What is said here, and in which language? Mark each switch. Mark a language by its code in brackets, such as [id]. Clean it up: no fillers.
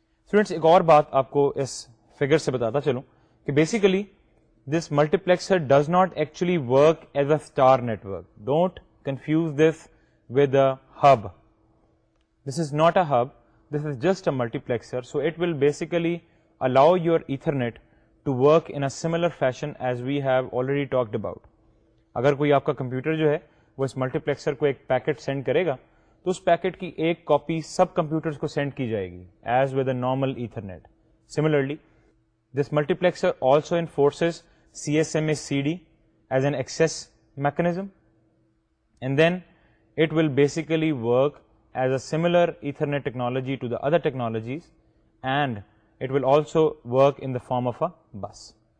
[en] Students, [ur] ek aur baat aapko is figure se batata chalo, [en] ki basically, this multiplexer does not actually work as a star network. Don't confuse this with a hub. This is not a hub. This is just a multiplexer. So it will basically allow your Ethernet to work in a similar fashion as we have already talked about. [ur] Agar koi aapka computer jo hai, وہ اس multi پلیکسر کو ایک packet send کرے گا تو اس packet کی ایک copy سب computers کو send کی جائے گی [en] As with a normal Ethernet. Similarly this multi پلیکسر also انفورسز C S M a C D as an access mechanism and then it will basically work as a similar Ethernet technology to the other technologies and it will also work in the form of اے بس.